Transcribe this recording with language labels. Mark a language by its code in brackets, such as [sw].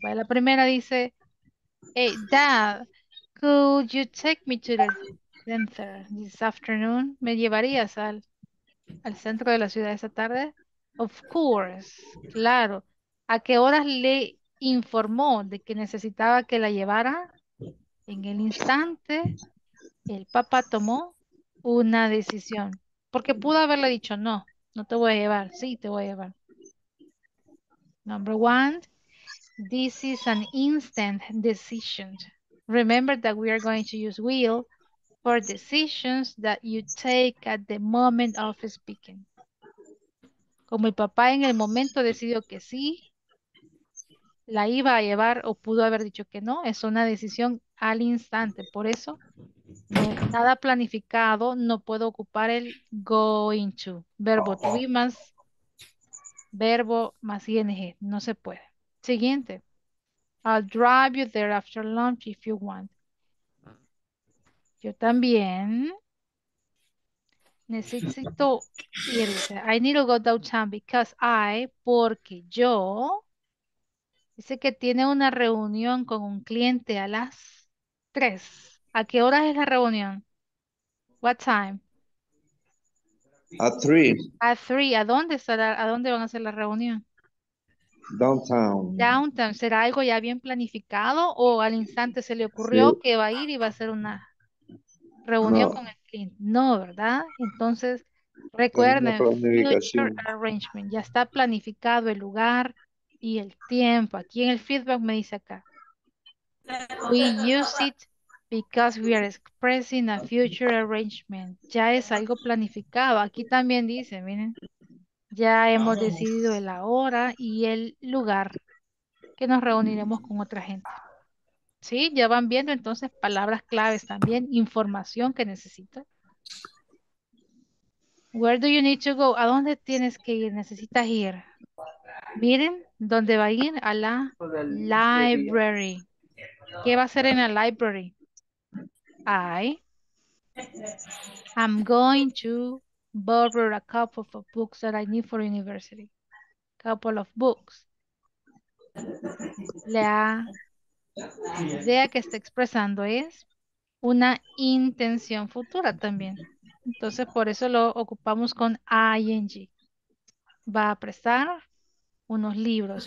[es] La primera dice, [en] hey, Dad, could you take me to the center this afternoon? [es] ¿Me llevarías al centro de la ciudad esa tarde? [en] Of course, [es] claro. ¿A qué horas le informó de que necesitaba que la llevara? En el instante, el papá tomó una decisión. Porque pudo haberle dicho, no, no te voy a llevar. Sí, te voy a llevar. [en] Number one, this is an instant decision. Remember that we are going to use will for decisions that you take at the moment of speaking. [es] Como el papá en el momento decidió que sí, la iba a llevar o pudo haber dicho que no, es una decisión al instante. Por eso, no, nada planificado, no puedo ocupar el going to. Verbo to be más, verbo más ing, no se puede. Siguiente. [en] I'll drive you there after lunch if you want. [es] Yo también. Necesito irse. [en] I need to go downtown because I, [es] porque yo, dice que tiene una reunión con un cliente a las 3. ¿A qué hora es la reunión? [en] What time? At 3. At 3. [es] ¿A dónde estará? ¿A dónde van a hacer la reunión? [en] Downtown. Downtown. [es] ¿Será algo ya bien planificado o al instante se le ocurrió sí. que va a ir y va a hacer una reunión no. con el cliente? No, ¿verdad? Entonces, recuerden, future arrangement. Ya está planificado el lugar y el tiempo. Aquí en el feedback me dice acá. [en] We use it because we are expressing a future arrangement. [es] Ya es algo planificado. Aquí también dice, miren. Ya hemos decidido el hora y el lugar que nos reuniremos con otra gente. ¿Sí? Ya van viendo entonces palabras claves también, información que necesitan. [en] Where do you need to go? [es] ¿A dónde tienes que ir? ¿Necesitas ir? Miren, ¿dónde va a ir? A la library. ¿Qué va a hacer en la library? [en] I'm going to borrow a couple of books that I need for university. Couple of books. [es] La idea que está expresando es una intención futura también. Entonces, por eso lo ocupamos con ing. Va a prestar unos libros.